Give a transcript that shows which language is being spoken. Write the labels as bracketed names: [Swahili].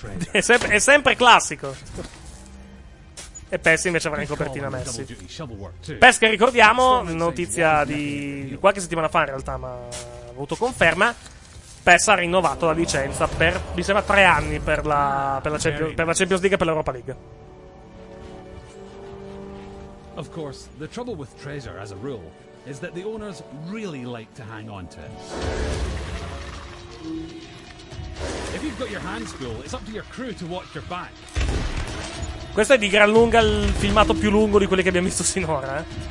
[Italian] È sempre classico. E Pessi invece avrà in copertina Messi. Pes, che ricordiamo, notizia di qualche settimana fa in realtà, ma ho avuto conferma. PES ha rinnovato la licenza per, mi sembra, 3 anni per la Champions League e per l'Europa League. [English] Of course, the trouble with treasure as a rule is that the owners really like to hang on to it. If you've got your hands full, it's up to your crew to watch your back. [Italian] Questo è di gran lunga il filmato più lungo di quelli che abbiamo visto sinora, eh.